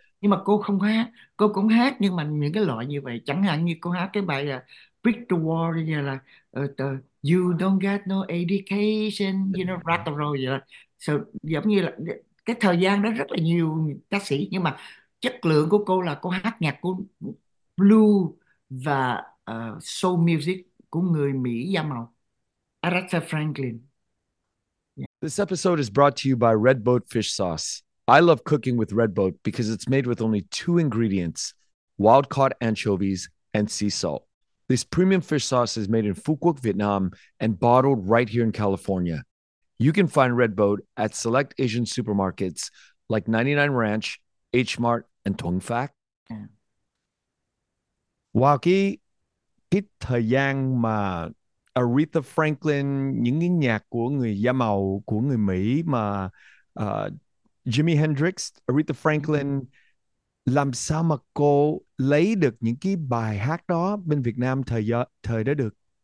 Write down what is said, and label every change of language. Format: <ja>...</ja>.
<vi>Nhưng mà cô không hát, cô cũng hát nhưng mà những cái loại như vậy, chẳng hạn như cô hát cái bài là Brick the Wall, như là</vi> <en>You don't got no education, you know, rock and roll,</en> <vi>là, so, giống như là cái thời gian đó rất là nhiều ca sĩ, nhưng mà chất lượng của cô là cô hát nhạc của blue và soul music của người Mỹ da màu, Aretha Franklin.</vi> <en>This episode is brought to you by Red Boat Fish Sauce. I love cooking with Red Boat because it's made with only two ingredients, wild-caught anchovies and sea salt. This premium fish sauce is made in Phú Quốc, Vietnam, and bottled right here in California. You can find Red Boat at select Asian supermarkets like 99 Ranch, H Mart, and Thuận Phát.</en> <vi>Wow, cái thời gian mà Aretha Franklin, những cái nhạc của người da màu của người Mỹ mà Jimi Hendrix, Aretha Franklin, làm sao mà cô lấy được những cái bài hát đó bên Việt Nam thời đó được?</vi>